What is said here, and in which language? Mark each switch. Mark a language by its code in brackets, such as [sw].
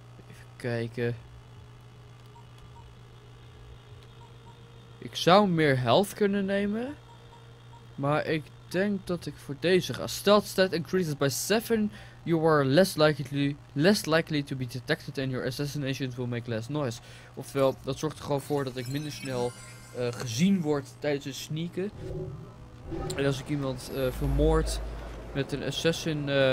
[nl] Even kijken. Ik zou meer health kunnen nemen. Maar ik denk dat ik voor deze ga. [en] Stealth stat increases by 7. You are less likely to be detected and your assassinations will make less noise. [nl] Ofwel, dat zorgt er gewoon voor dat ik minder snel gezien word tijdens het sneaken. En als ik iemand vermoord met een assassin.